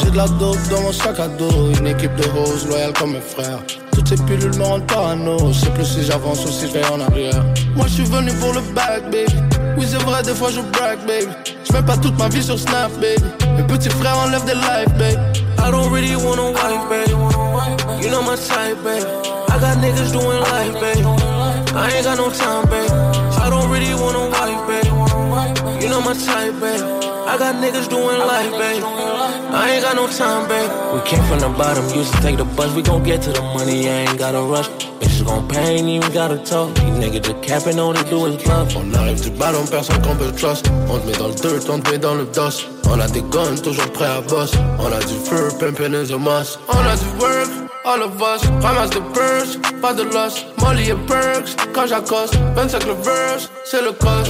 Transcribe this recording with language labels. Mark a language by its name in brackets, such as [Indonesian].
[French] J'ai de la dope dans mon sac à dos. Une équipe de hoes loyale comme mes frères. Toutes ces pilules me rendent parano. Je sais plus si j'avance ou si je vais en arrière. Moi j'suis venu pour le bag, baby. Oui c'est vrai, des fois je brag, baby. J'mets pas toute ma vie sur Snap, baby. Mes petits frères enlèvent des lives, baby. [English] I don't really want a wife, baby. You know my type, baby. I got niggas doing life, baby. I ain't got no time, baby. I don't really want a wife, baby. You know my type, baby. I got niggas doing life, babe. I ain't got no time, babe. We came from the bottom, used to take the bus. We gon' get to the money, I ain't gotta rush. Bitches gon' pay, ain't even gotta talk. These niggas just capping, all they do is bluff. [French] On arrive du bottom, personne qu'on peut trust. On te met dans le dirt, on te met dans le dust. On a des guns, toujours prêts à boss. On a du fur, [English] pimpin' is a must. [French] On a du work, [English] all of us. [French] Ramasse de purse, pas de loss. Molly et perks, quand j'accoste. 25 le verse, c'est le cost.